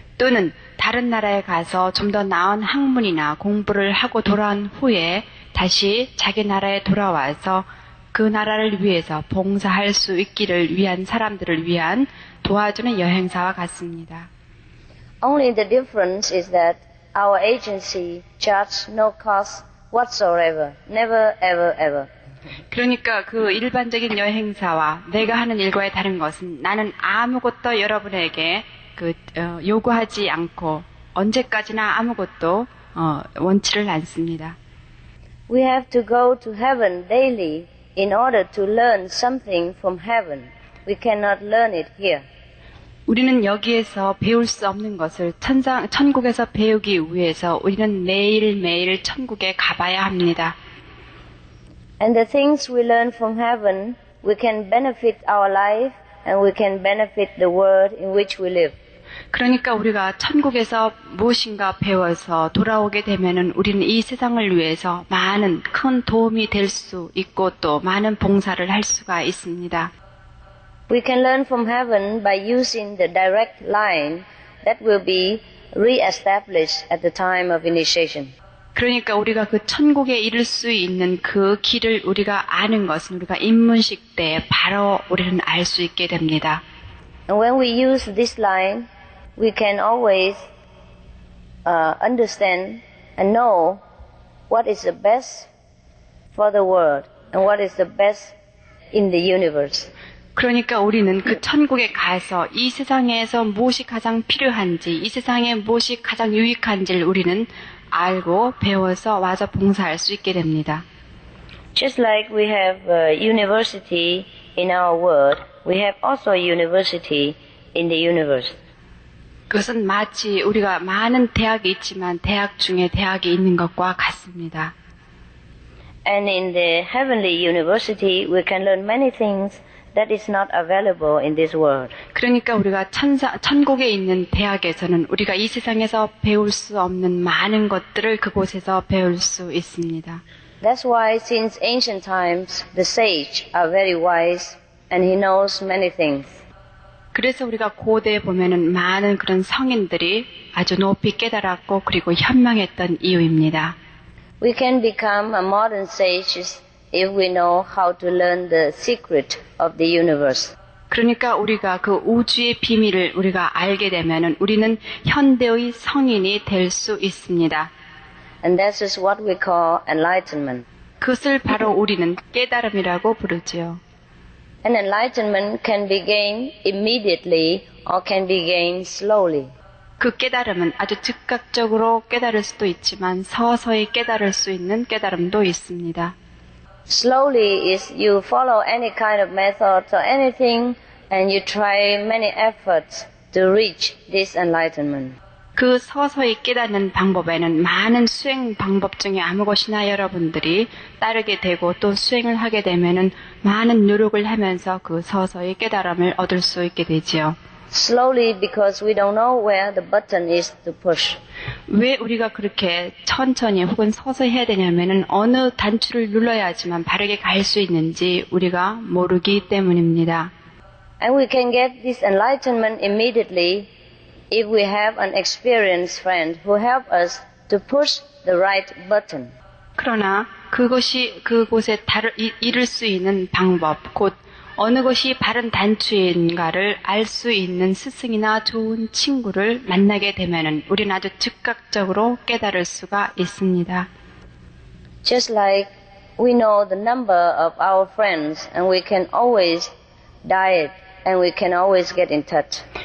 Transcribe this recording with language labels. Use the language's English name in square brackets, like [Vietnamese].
[Korean] 또는 다른 나라에 가서 좀 더 나은 학문이나 공부를 하고 돌아온 후에 다시 자기 나라에 돌아와서 그 나라를 위해서 봉사할 수 있기를 위한 사람들을 위한 도와주는 여행사와 같습니다. [English] Only the difference is that our agency charges no cost whatsoever. Never, ever, ever. [Korean] 그러니까 그 일반적인 여행사와 내가 하는 일과의 다른 것은 나는 아무것도 여러분에게 요구하지 않고 언제까지나 아무것도 원치를 않습니다. [English] We have to go to heaven daily in order to learn something from heaven. We cannot learn it here. [Korean] 우리는 여기에서 배울 수 없는 것을 천국에서 배우기 위해서 우리는 매일매일 천국에 가봐야 합니다. [English] And the things we learn from heaven, we can benefit our life and we can benefit the world in which we live. [Korean] 그러니까 우리가 천국에서 무엇인가 배워서 돌아오게 되면은 우리는 이 세상을 위해서 많은 큰 도움이 될 수 있고 또 많은 봉사를 할 수가 있습니다. [English] We can learn from heaven by using the direct line that will be re-established at the time of initiation. [Korean] 그러니까 우리가 그 천국에 이를 수 있는 그 길을 우리가 아는 것은 우리가 입문식 때 바로 우리는 알 수 있게 됩니다. [English] And when we use this line, we can always understand and know what is the best for the world and what is the best in the universe. [Korean] 그러니까 우리는 그 천국에 가서 이 세상에서 무엇이 가장 필요한지, 이 세상에 무엇이 가장 유익한지를 우리는 알고 배워서 와서 봉사할 수 있게 됩니다. [English] Just like we have a university in our world, we have also a university in the universe. [Korean] 그것은 마치 우리가 많은 대학이 있지만 대학 중에 대학이 있는 것과 같습니다. [English] And in the heavenly university, we can learn many things that is not available in this world. [Korean] 그러니까 우리가 천국에 있는 대학에서는 우리가 이 세상에서 배울 수 없는 많은 것들을 그곳에서 배울 수 있습니다. [English] That's why since ancient times the sage are very wise and he knows many things. [Korean] 그래서 우리가 고대에 보면은 많은 그런 성인들이 아주 높이 깨달았고 그리고 현명했던 이유입니다. [English] We can become a modern sage if we know how to learn the secret of the universe. [Korean] 그러니까 우리가 그 우주의 비밀을 우리가 알게 되면은 우리는 현대의 성인이 될 수 있습니다. [English] And that is what we call enlightenment. [Korean] 그것을 바로 우리는 깨달음이라고 부르지요. [English] An enlightenment can be gained immediately or can be gained slowly. [Korean] 그 깨달음은 아주 즉각적으로 깨달을 수도 있지만 서서히 깨달을 수 있는 깨달음도 있습니다. [English] Slowly is you follow any kind of method or anything and you try many efforts to reach this enlightenment. [Korean] 그 서서히 깨닫는 방법에는 많은 수행 방법 중에 아무것이나 여러분들이 따르게 되고 또 수행을 하게 되면은 많은 노력을 하면서 그 서서히 깨달음을 얻을 수 있게 되지요. [English] Slowly because we don't know where the button is to push. [Korean] 왜 우리가 그렇게 천천히 혹은 서서히 해야 되냐면은 어느 단추를 눌러야지만 바르게 갈 수 있는지 우리가 모르기 때문입니다. [English] And we can get this enlightenment immediately if we have an experienced friend who help us to push the right button. [Korean] 그러나 그것이 그곳에 이를 수 있는 방법 곧 어느 것이 바른 단추인가를 알 수 있는 스승이나 좋은 친구를 만나게 되면은 우리는 아주 즉각적으로 깨달을 수가 있습니다. [English] Just like we know the number of our friends and we can always diet and we can always get in touch.